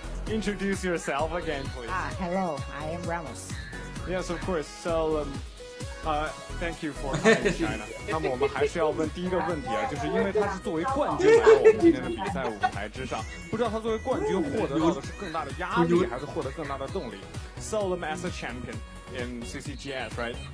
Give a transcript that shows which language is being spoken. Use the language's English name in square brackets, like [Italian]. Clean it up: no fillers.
[English] Introduce yourself again, please. Hello, I am Ramos. Yes, of course. So, thank you for coming to China. [Chinese] 那么我们还是要问第一个问题啊，就是因为他是作为冠军来到我们今天的比赛舞台之上，不知道他作为冠军获得到的是更大的压力，还是获得更大的动力。 [English] So, as a champion in CCGS, right?